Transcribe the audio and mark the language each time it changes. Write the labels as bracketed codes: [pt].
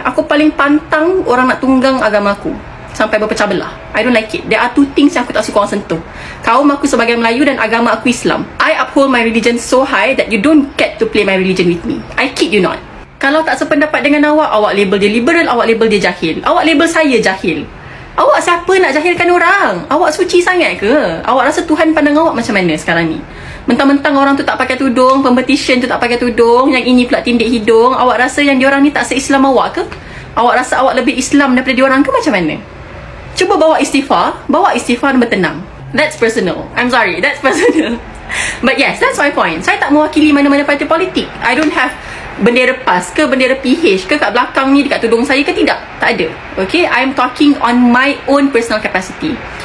[ms] Aku paling pantang orang nak tunggang agama aku. Sampai berpecah belah. [en] I don't like it. There are two things [ms] yang aku tak suka orang sentuh. Kaum aku sebagai Melayu dan agama aku Islam. [en] I uphold my religion so high that you don't get to play my religion with me. I kid you not. [ms] Kalau tak sependapat dengan awak, awak label dia liberal, awak label dia jahil. Awak label saya jahil. Awak siapa nak jahilkan orang? Awak suci sangat ke? Awak rasa Tuhan pandang awak macam mana sekarang ni? Mentang-mentang orang tu tak pakai tudung, competition tu tak pakai tudung, yang ini pula tindik hidung, awak rasa yang diorang ni tak se-Islam awak ke? Awak rasa awak lebih Islam daripada diorang ke macam mana? Cuba bawa istighfar dan bertenang. [en] That's personal. I'm sorry, that's personal. But yes, that's my point. [ms] Saya tak mewakili mana-mana parti politik. [en] I don't have [ms] bendera PAS ke bendera PH ke kat belakang ni dekat tudung saya ke? Tidak. Tak ada. [en] Okay, I'm talking on my own personal capacity.